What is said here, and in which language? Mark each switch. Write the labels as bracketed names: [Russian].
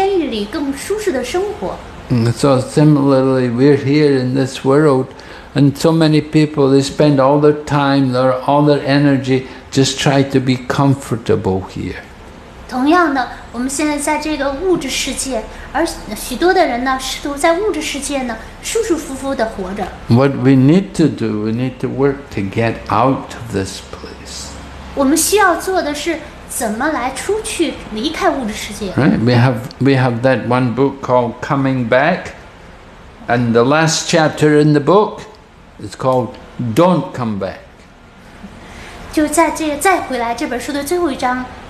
[Chinese] 就好像一个监狱的囚犯呢，他应该想着怎么来出狱，而不应该想着怎么在监狱里更舒适的生活。 [English] So similarly, we're here in this world, and so many people they spend all their time, all their energy, just try to be comfortable here. [Chinese] 同样的，我们现在在这个物质世界，而许多的人呢，试图在物质世界呢，舒舒服服地活着。 [English] What we need to do, we need to work to get out of this place. [Chinese] 我们需要做的是怎么来出去，离开物质世界。 [English] Right, we have that one book called Coming Back, and the last chapter in the book is called Don't Come Back. [Chinese] 就在这再回来这本书的最后一章。